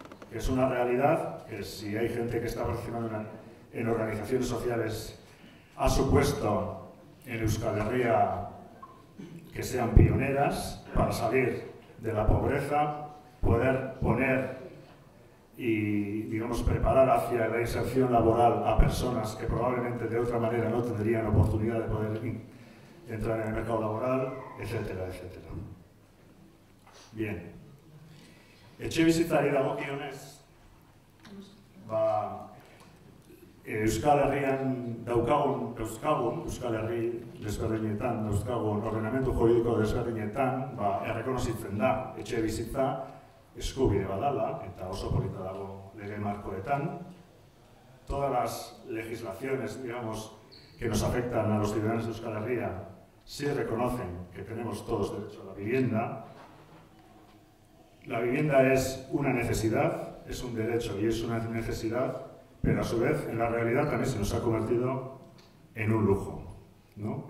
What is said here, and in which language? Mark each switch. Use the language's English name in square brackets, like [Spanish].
[Spanish] Es una realidad que si hay gente que está participando en organizaciones sociales ha supuesto en Euskal Herria que sean pioneras para salir de la pobreza, poder poner y, digamos, preparar hacia la inserción laboral a personas que probablemente de otra manera no tendrían oportunidad de poder entrar en el mercado laboral, etcétera, etcétera. Bien. [Basque] Etxebizitzari dagokionez, ba, Euskal Herrian dauzkagun ordenamentu juridiko desberdinetan, ba, errekonozitzen da, etxebizitza eskubide badala, eta oso polita dago lege markoetan. [Spanish] todas las legislaciones, digamos, que nos afectan a los ciudadanos de Euskal Herria, sí reconocen que tenemos todos derecho a la vivienda. La vivienda es una necesidad, es un derecho y es una necesidad, pero a su vez en la realidad también se nos ha convertido en un lujo, ¿no?